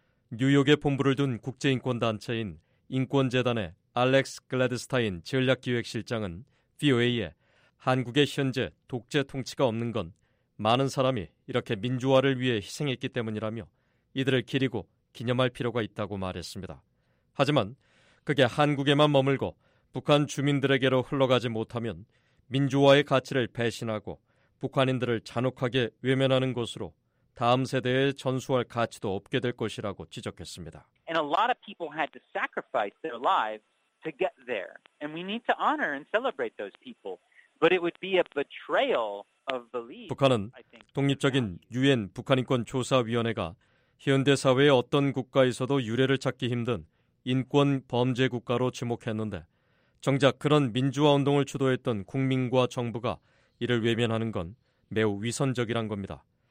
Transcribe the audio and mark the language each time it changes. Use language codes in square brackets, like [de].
[ko] 뉴욕에 본부를 둔 국제인권단체인 인권재단의 알렉스 글래드스타인 전략기획실장은 VOA에 한국의 현재 독재 통치가 없는 건 많은 사람이 이렇게 민주화를 위해 희생했기 때문이라며 이들을 기리고 기념할 필요가 있다고 말했습니다. 하지만 그게 한국에만 머물고 북한 주민들에게로 흘러가지 못하면 민주화의 가치를 배신하고 북한인들을 잔혹하게 외면하는 것으로 다음 세대에 전수할 가치도 없게 될 것이라고 지적했습니다. [en] And a lot of people had to sacrifice their lives to get there. And we need to honor and celebrate those people. But it would be a betrayal of belief. [ko] 북한은 독립적인 UN 북한인권조사위원회가 현대 사회의 어떤 국가에서도 유례를 찾기 힘든 인권 범죄 국가로 지목했는데 정작 그런 민주화 운동을 주도했던 국민과 정부가 이를 외면하는 건 매우 위선적이란 겁니다.